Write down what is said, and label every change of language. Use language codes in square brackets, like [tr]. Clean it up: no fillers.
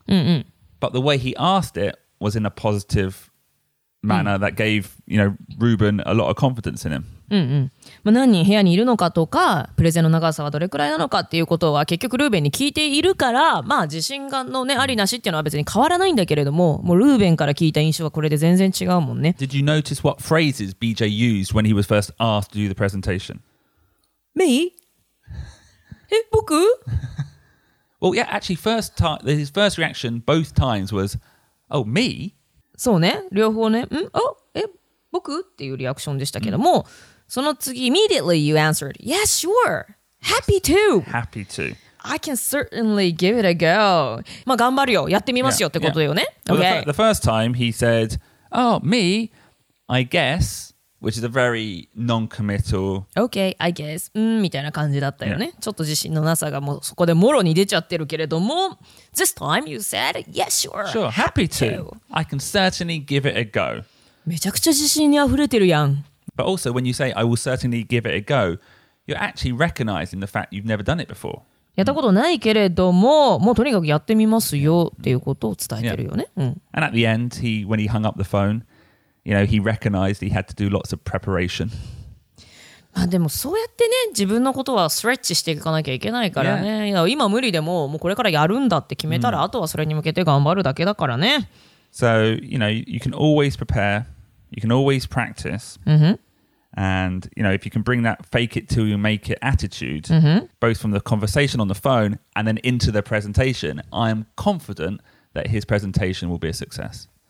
[en] But the way he asked it was in a positive manner that gave, you know, Ruben a lot of confidence in him. [ja] うんうん、まあ、何人部屋にいるのかとかプレゼンの長さはどれくらいなのかっていうことは結局ルーベンに聞いているから、まあ自信がのねありなしっていうのは別に変わらないんだけれども、もうルーベンから聞いた印象はこれで全然違うもんね。 [en] Did you notice what phrases BJ used when he was first asked to do the presentation? Me? [ja] え、僕? [en] Well, yeah, actually first time, his first reaction both times was, oh, me? [ja] そうね、両方ね、ん?お?僕っていうリアクションでしたけども、うん、その次 [en] immediately you answered yes sure happy to happy to I can certainly give it a go、 [ja] まあ、頑張るよやってみますよってことよね、yeah. [en] Okay. Well, the first time he said oh me I guess which is a very non-committal okay I guess、 [ja] うん、みたいな感じだったよね、yeah. ちょっと自信のなさがもうそこでもろに出ちゃってるけれども、 [en] this time you said yes sure sure happy to I can certainly give it a go [ja] めちゃくちゃ自信にあふれてるやん。 [en] But also when you say I will certainly give it a go, you're actually recognizing the fact you've never done it before. [ja] やったことないけれども、もうとにかくやってみますよっていうことを伝えてるよね。 [en] Yeah. うん、 And at the end, he, when he hung up the phone, you know, he recognized he had to do lots of preparation. [ja] まあでもそうやってね、自分のことはストレッチしていかなきゃいけないからね。 [en] Yeah. [ja] 今無理でも、もうこれからやるんだって決めたら、あとはそれに向けて頑張るだけだからね。 [en] So, you know, you can always prepare, you can always practice,、 mm-hmm. and, you know, if you can bring that fake it till you make it attitude,、mm-hmm. both from the conversation on the phone and then into the presentation, I am confident that his presentation will be a success.、